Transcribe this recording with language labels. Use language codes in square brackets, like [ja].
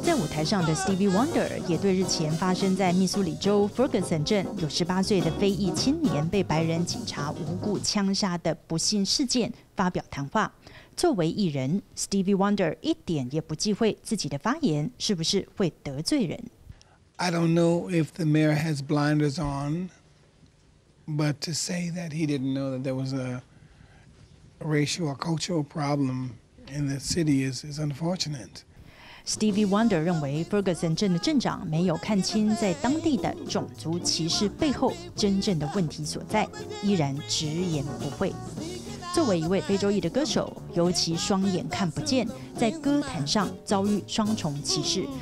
[zh] 台上的 Stevie Wonder 也对日前发生在密苏里州 Ferguson 镇有18岁的非裔青年被白人警察无故枪杀的不幸事件发表谈话。作为艺人 ，Stevie Wonder 一点也不忌讳自己的发言是不是会得罪人。 [en] I don't know if the mayor has blinders on. But to say that he didn't know that there was a racial or cultural problem in the city is unfortunate. [zh] Stevie Wonder 认为 Ferguson 镇的镇长没有看清在当地的种族歧视背后真正的问题所在，依然直言不讳。作为一位非洲裔的歌手，尤其双眼看不见，在歌坛上遭遇双重歧视。